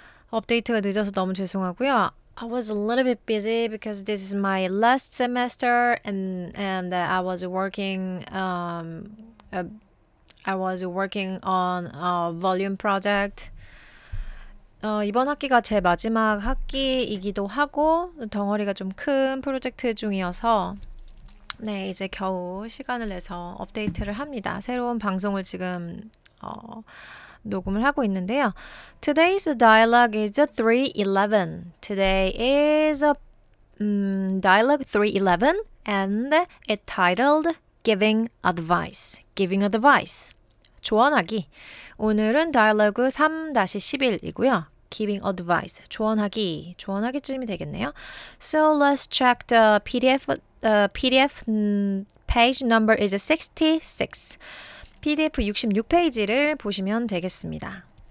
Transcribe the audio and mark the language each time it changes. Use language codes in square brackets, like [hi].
[ko] 업데이트가 늦어서 너무 죄송하고요. [en] I was a little bit busy because this is my last semester and I was working on a volume project. [ko] 이번 학기가 제 마지막 학기이기도 하고 덩어리가 좀 큰 프로젝트 중이어서 네, 이제 겨우 시간을 내서 업데이트를 합니다. 새로운 방송을 지금 녹음을 하고 있는데요. [en] Today's dialogue is 311. Today is a dialogue 311 and it titled Giving Advice. Giving Advice. [ko] 조언하기. 오늘은 다이얼로그 3-11이고요. [en] Giving Advice. [ko] 조언하기. 조언하기쯤이 되겠네요. [en] So let's check the PDF. The PDF page number is 66. [ko] PDF 66페이지를 보시면 되겠습니다.